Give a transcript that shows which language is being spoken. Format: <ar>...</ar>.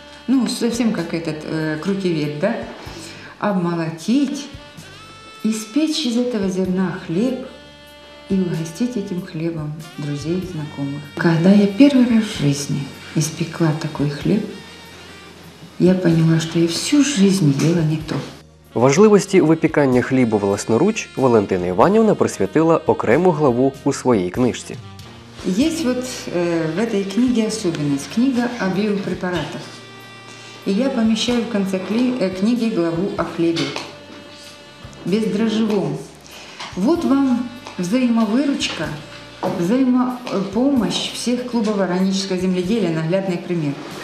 <ru>Ну, совсем как этот крутивет, да? Обмолотить, испечь из этого зерна хлеб и угостить этим хлебом друзей и знакомых. Когда я первый раз в жизни испекла такой хлеб, я поняла, что я всю жизнь ела не то.</ru> <uk>Важливості випікання хлібу власноруч Валентина Іванівна присвятила окрему главу у своїй книжці. Є</uk> <ru>вот в этой книге особенность. Книга о биопрепаратах. И я помещаю в конце книги главу о хлебе. Бездрожжевом. Вот вам взаимовыручка, взаимопомощь всех клубов органического земледелия, наглядный пример.</ru>